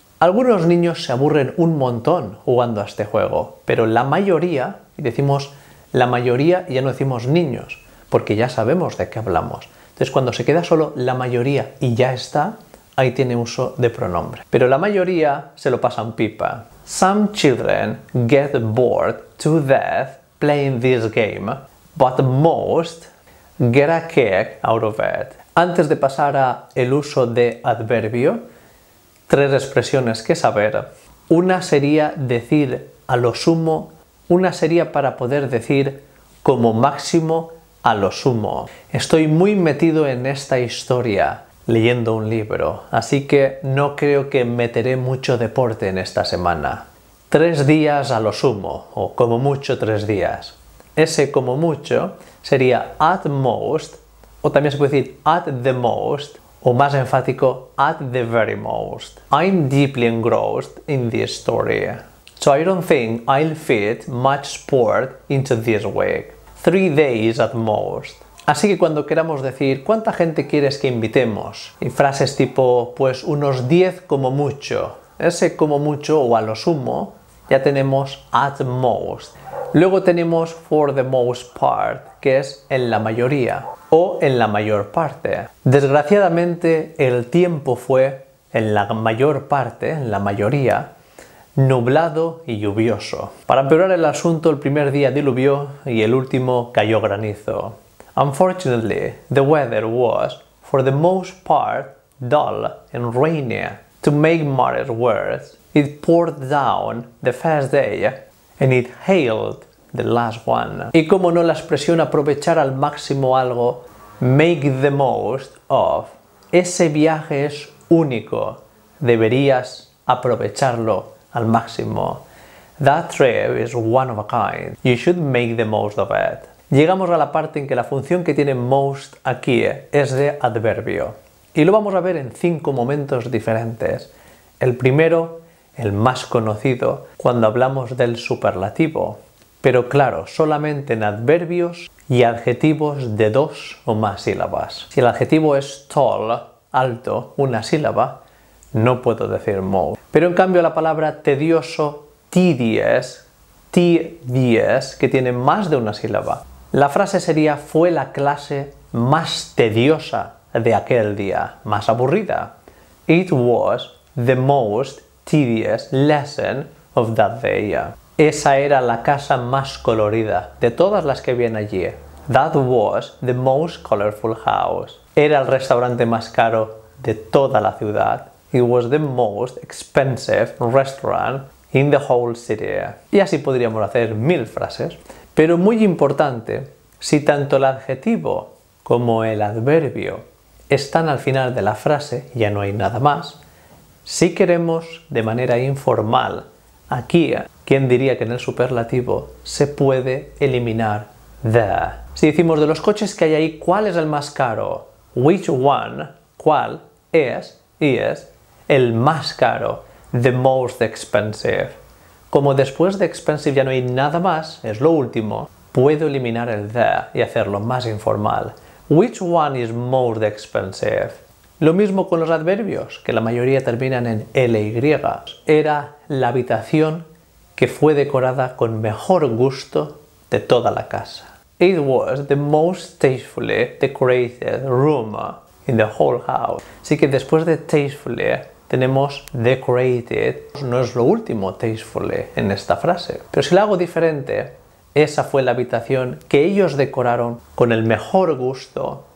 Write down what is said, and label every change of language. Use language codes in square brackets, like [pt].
[es] Algunos niños se aburren un montón jugando a este juego, pero la mayoría, y decimos la mayoría, ya no decimos niños, porque ya sabemos de qué hablamos. Entonces, cuando se queda solo la mayoría y ya está, ahí tiene uso de pronombre. Pero la mayoría se lo pasan pipa. [en] Some children get bored to death playing this game, but most get a kick out of it. [es] Antes de pasar a el uso de adverbio, tres expresiones que saber. Una sería decir a lo sumo. Una sería para poder decir como máximo a lo sumo. Estoy muy metido en esta historia leyendo un libro, así que no creo que meteré mucho deporte en esta semana. 3 días a lo sumo, o como mucho 3 días. Ese como mucho sería [en] at most, [es] o también se puede decir [en] at the most, [es] o más enfático, [en] at the very most. I'm deeply engrossed in this story, so I don't think I'll fit much sport into this week. 3 days at most. [es] Así que cuando queramos decir ¿cuánta gente quieres que invitemos? Y frases tipo, pues unos 10 como mucho. Ese como mucho o a lo sumo, ya tenemos [en] at most. [es] Luego tenemos [en] for the most part, [es] que es en la mayoría o en la mayor parte. Desgraciadamente, el tiempo fue en la mayor parte, en la mayoría, nublado y lluvioso. Para empeorar el asunto, el primer día diluvió y el último cayó granizo. [en] Unfortunately, the weather was, for the most part, dull and rainy. To make matters worse, it poured down the first day and it hailed the last one. [es] Y como no, la expresión aprovechar al máximo algo, [en] make the most of. [es] Ese viaje es único, deberías aprovecharlo al máximo. [en] That trip is one of a kind, you should make the most of it. [es] Llegamos a la parte en que la función que tiene most aquí es de adverbio. Y lo vamos a ver en 5 momentos diferentes. El primero, el más conocido, cuando hablamos del superlativo. Pero claro, solamente en adverbios y adjetivos de 2 o más sílabas. Si el adjetivo es tall, alto, una sílaba, no puedo decir most. Pero en cambio la palabra tedioso, tedious, tedious, que tiene más de una sílaba. La frase sería, fue la clase más tediosa de aquel día, más aburrida. [en] It was the most tedious lesson of that day. [es] Esa era la casa más colorida de todas las que habían allí. [en] That was the most colorful house. [es] Era el restaurante más caro de toda la ciudad. [en] It was the most expensive restaurant in the whole city. [es] Y así podríamos hacer 1000 frases. Pero muy importante, si tanto el adjetivo como el adverbio están al final de la frase, ya no hay nada más, si queremos de manera informal Aquí, ¿quién diría que en el superlativo se puede eliminar the? Si decimos de los coches que hay ahí, ¿cuál es el más caro? [en] Which one, [es] ¿cuál es y es el más caro? [en] The most expensive. [es] Como después de expensive ya no hay nada más, es lo último, puedo eliminar el the y hacerlo más informal. [en] Which one is most expensive? [es] Lo mismo con los adverbios, que la mayoría terminan en ly. Era la habitación que fue decorada con mejor gusto de toda la casa. [en] It was the most tastefully decorated room in the whole house. [es] Así que después de tastefully tenemos decorated. No es lo último tastefully en esta frase. Pero si la hago diferente, esa fue la habitación que ellos decoraron con el mejor gusto.